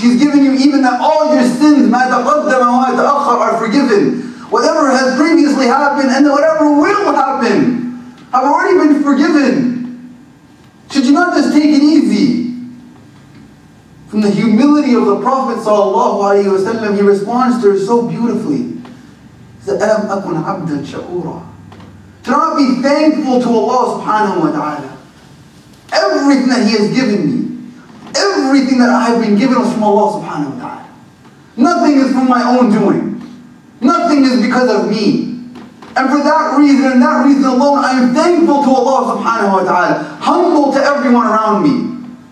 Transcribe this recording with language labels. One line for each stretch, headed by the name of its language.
English: He's given you even that all your sins, ma taqaddama wa ma ta'akhkhara, are forgiven. Whatever has previously happened and whatever will happen have already been forgiven. Should you not just take it easy? From the humility of the Prophet sallallahu alayhi wa sallam, he responds to her so beautifully. He said,
Arabic: أَلَمْ أَكُنْ عَبْدًا شَكُورًا.
English: To not be thankful to Allah subhanahu wa ta'ala. Everything that He has given me, everything that I have been given was from Allah subhanahu wa ta'ala. Nothing is from my own doing. Nothing is because of me. And for that reason and that reason alone, I am thankful to Allah subhanahu wa ta'ala, humble to everyone around me.